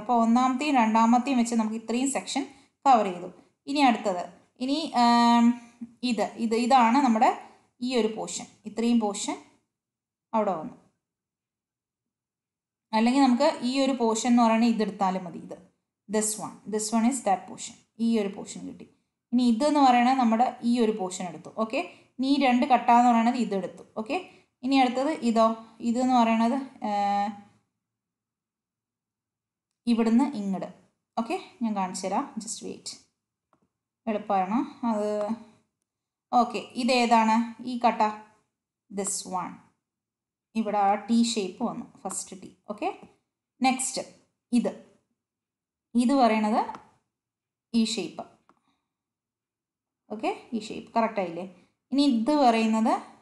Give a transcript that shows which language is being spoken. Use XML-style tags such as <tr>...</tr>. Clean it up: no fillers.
<ml>അപ്പോൾ ഒന്നാമത്തെയും രണ്ടാമത്തെയും വെച്ച് നമുക്ക് ഇത്രയും സെക്ഷൻ കവർ ചെയ്തു. ഇനി അടുത്തത്, ഇനി ഇത് ഇത് ഇതാണ് നമ്മുടെ ഈ ഒരു പോർഷൻ, ഇത്രയും പോർഷൻ അവിടെ വന്നു. അല്ലെങ്കിൽ നമുക്ക് ഈ ഒരു പോർഷൻ എന്ന് പറയുന്നത് ഇതെടുത്താലും മതി, ഇത്.</ml> <en>this one is that portion.</en> <ml>ഈ ഒരു പോർഷൻ കിട്ടി. ഇനി ഇത് എന്ന് പറയുന്നത് നമ്മുടെ ഈ ഒരു പോർഷൻ എടുത്തു. ഓക്കേ? നീ രണ്ട് കട്ടാ എന്ന് പറയുന്നത് ഇത് എടുത്തു. ഓക്കേ? ഇനി അടുത്തത് ഇതോ ഇത് എന്ന് പറയുന്നത് ഇവിടുന്ന് ഇങ്ങോട്ട് ഓക്കെ ഞാൻ കാണിച്ചു തരാം</ml> <en>just wait</en> <ml>എളുപ്പമാണ് അത് ഓക്കെ ഇതേതാണ് ഈ കട്ട ദിസ് വൺ ഇവിടെ ആ ടി ഷേപ്പ് വന്നു ഫസ്റ്റ് ടി ഓക്കെ നെക്സ്റ്റ് ഇത് ഇത് പറയണത് ഈ ഷേപ്പ് ഓക്കെ ഈ ഷേപ്പ് കറക്റ്റായില്ലേ ഇനി ഇത് പറയുന്നത്</ml>